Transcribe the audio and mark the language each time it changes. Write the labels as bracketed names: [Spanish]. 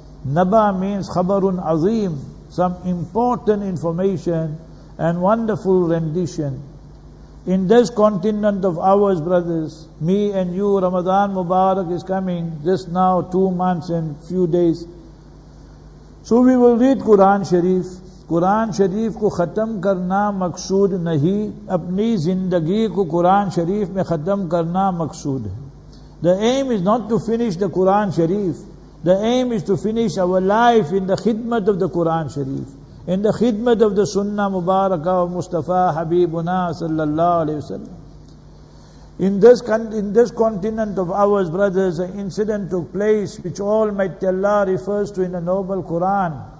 [English] Naba means khabarun azim, some important information and wonderful rendition. In this continent of ours, brothers, me and you, Ramadan Mubarak is coming just now, 2 months and few days. So we will read Quran Sharif. [Urdu] قرآن شریف کو ختم کرنا مقصود نہیں، اپنی زندگی کو قرآن شریف میں ختم کرنا مقصود ہے. [English] The aim is not to finish the Quran Sharif. The aim is to finish our life in the khidmat of the Quran Sharif, in the khidmat of the Sunnah Mubarakah of Mustafa Habibuna sallallahu alayhi wasallam. In this continent of ours, brothers, an incident took place which Almighty Allah refers to in the noble Quran.